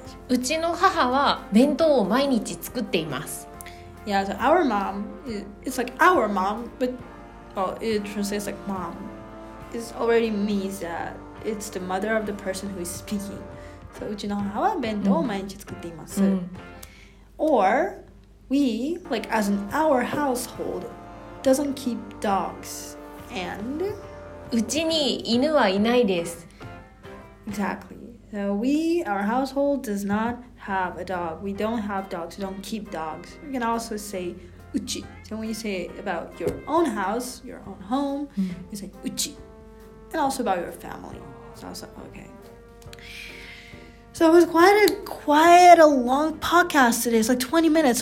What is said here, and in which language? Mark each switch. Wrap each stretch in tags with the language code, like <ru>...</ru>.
<ja>うちの母は弁当を毎日作っています。</ja> <en>Yeah, so our mom, it's like our mom, but well, it translates like mom. It already means that it's the mother of the person who is speaking. So, うちの母は弁当を毎日作っています。 Or, we, like as in our household, doesn't keep dogs and...</en> <ja>うちに犬はいないです。</ja> <en>Exactly. So we, our household does not have a dog. We don't have dogs. We don't keep dogs. You can also say uchi. So when you say about your own house, your own home, you say uchi. And also about your family. It's also okay. So it was quite a long podcast today. It's like 20 minutes.</en>